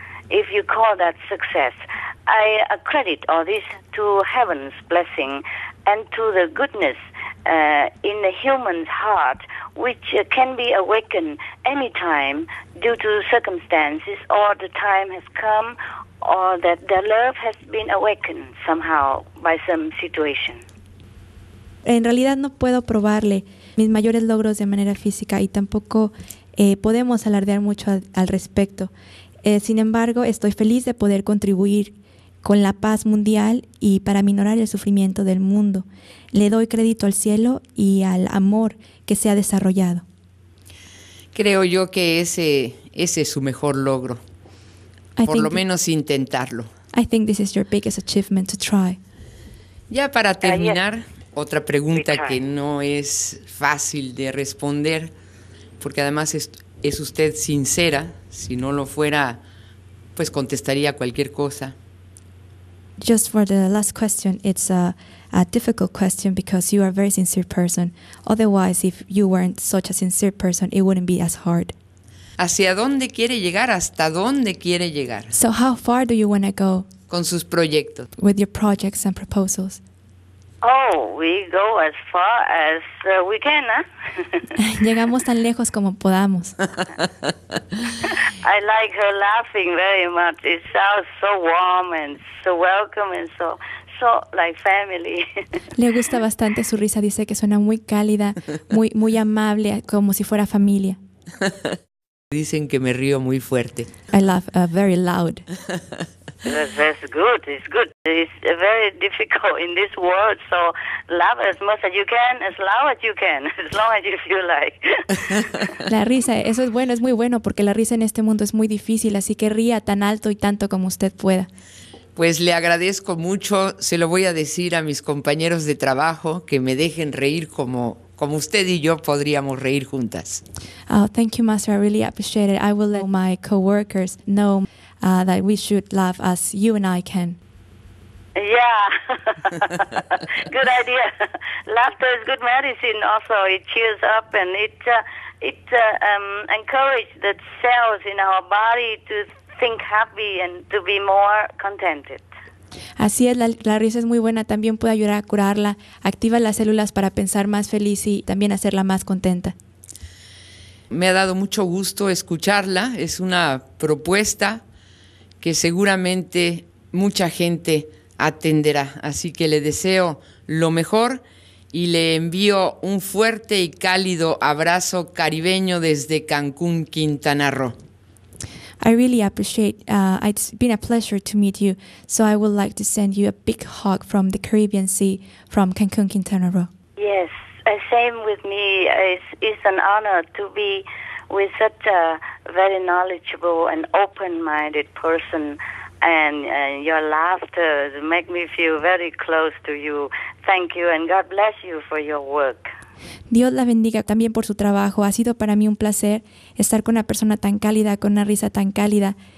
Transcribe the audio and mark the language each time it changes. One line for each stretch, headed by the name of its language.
English: If you call that success, I accredit all this to heaven's blessing and to the goodness in the human's heart, which can be awakened any time due to circumstances, or the time has come, or that the love has been awakened somehow by some situation.
Spanish: En realidad no puedo probarle mis mayores logros de manera física y tampoco podemos alardear mucho al respecto. Sin embargo, estoy feliz de poder contribuir con la paz mundial y para aminorar el sufrimiento del mundo. Le doy crédito al cielo y al amor que se ha desarrollado. Creo yo que ese es su mejor logro. Por lo menos intentarlo.
English: I think this is your biggest achievement to try.
Spanish: Ya para terminar, otra pregunta que no es fácil de responder, porque además es usted sincera. Si no lo fuera, pues contestaría cualquier cosa.
English: Just for the last question, it's a difficult question because you are a very sincere person. Otherwise, if you weren't such a sincere person, it wouldn't be as hard.
Spanish: ¿Hacia dónde quiere llegar? ¿Hasta dónde quiere llegar?
English: So how far do you want to go?
Spanish: Con sus proyectos.
English: With your projects and proposals. Oh, we go as far as we can, huh?
Spanish: Llegamos tan lejos como podamos.
English: I like her laughing very much. It sounds so warm and so welcome and so like family.
Spanish: Le gusta bastante su risa. Dice que suena muy cálida, muy muy amable, como si fuera familia. Dicen que me río muy fuerte.
English: I laugh very loud. That's good. It's good. It's very difficult in this world. So laugh as much as you can, as loud as you can, as long as you feel like.
Spanish: La risa, eso es bueno, es muy bueno, porque la risa en este mundo es muy difícil, así que ría tan alto y tanto como usted pueda. Pues le agradezco mucho. Se lo voy a decir a mis compañeros de trabajo, que me dejen reír como usted y yo podríamos reír juntas.
English: Oh, thank you, Master. I really appreciate it. I will let my coworkers know that we should love as you and I can. Yeah. Good idea. Laughter is good medicine also. It cheers up and it encourages the cells in our body to think happy and to be more contented.
Spanish: Así es, la risa es muy buena. También puede ayudar a curarla. Activa las células para pensar más feliz y también hacerla más contenta. Me ha dado mucho gusto escucharla. Es una propuesta que seguramente mucha gente atenderá. Así que le deseo lo mejor y le envío un fuerte y cálido abrazo caribeño desde Cancún, Quintana Roo.
English: I really appreciate, it's been a pleasure to meet you. So I would like to send you a big hug from the Caribbean Sea, from Cancun, Quintana Roo. Yes, same with me. It's an honor to be with such a very knowledgeable and open-minded person. And your laughter make me feel very close to you. Thank you and God bless you for your work.
Spanish: Dios la bendiga también por su trabajo. Ha sido para mí un placer estar con una persona tan cálida, con una risa tan cálida.